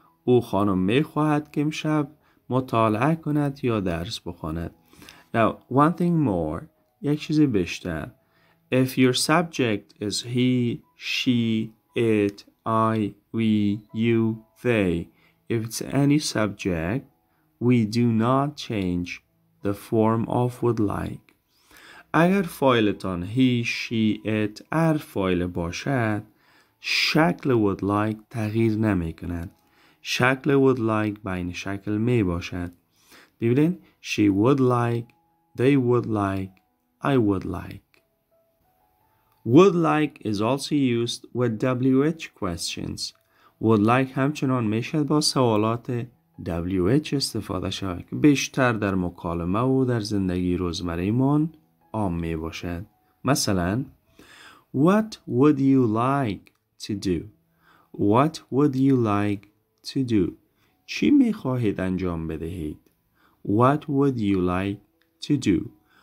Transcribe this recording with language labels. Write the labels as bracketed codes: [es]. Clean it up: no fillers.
[fa] او خانم میخواهد که امشب مطالعه کند یا درس بخواند. [en] Now, one thing more. [fa] یک چیز بیشتر. [en] If your subject is he, she, it, I, we, you, they. If it's any subject, we do not change the form of would like. [fa] اگر فایلتان he, she, it, هر فایل باشد، شکل would like تغییر نمی کند. شکل would like بین شکل می باشد. [en] ببینید، she would like, they would like, I would like. Would like is also used with WH questions. [fa] Would like همچنان میشد با سوالات WH استفاده شود که بیشتر در مکالمه و در زندگی روزمره ایمان عام می باشد. [en] مثلا What would you like to do? What would you like to do? [fa] چی می خواهید انجام بدهید؟ [en] What would you like to do?